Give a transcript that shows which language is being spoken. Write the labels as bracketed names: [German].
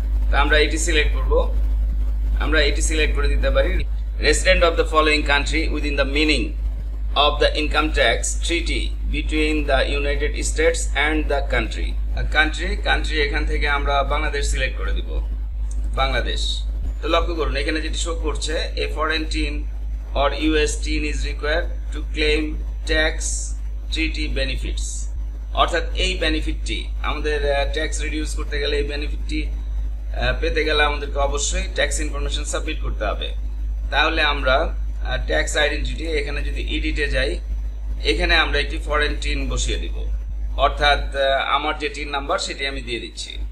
[Bangla] তো আমরা এটি সিলেক্ট করব, আমরা এটি সিলেক্ট করে দিতে পারি, [English] resident of the following country within the meaning of the income tax treaty between the United States and the country, [Bangla] country country, এখান থেকে আমরা বাংলাদেশ সিলেক্ট করে দিব, বাংলাদেশ। তো লক্ষ্য করুন এখানে যেটি শো করছে, [English] A foreign TIN or US TIN is required to claim tax treaty benefits. [Bangla] অর্থাৎ এই বেনিফিটটি আমাদের ট্যাক্স রিডিউস করতে গেলে এই বেনিফিটটি পেতে গেলে আমাদেরকে অবশ্যই ট্যাক্স ইনফরমেশন সাবমিট করতে হবে। তাহলে আমরা ট্যাক্স আইডেন্টিটি এখানে যদি এডিটে যাই, এখানে আমরা একটি ফরেন টিন বসিয়ে দিব, অর্থাৎ আমার যে টিন নাম্বার সেটি আমি দিয়ে দিচ্ছি।